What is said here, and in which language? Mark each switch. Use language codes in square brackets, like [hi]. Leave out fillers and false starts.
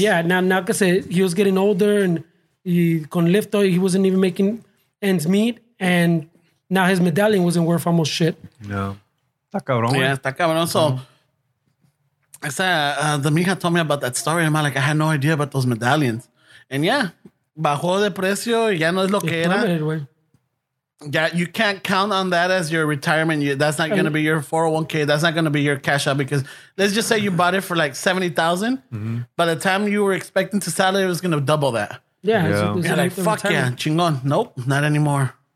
[en] yeah. Now cause he was getting older and he con lifto, he wasn't even making ends meet. And now his medallion wasn't worth almost shit. [es] No. Está cabrón. Yeah. Está cabrón. [en] So the mija told me about that story. I'm like, I had no idea about those medallions. And yeah. [es] Bajó de precio y ya no es lo que era. [en] Yeah, you can't count on that as your retirement. That's not going to be your 401k. That's not going to be your cash out because let's just say you bought it for like $70,000. Mm-hmm. By the time you were expecting to sell it, it was going to double that. Yeah. You're like, fuck yeah, chingón. Nope, not anymore.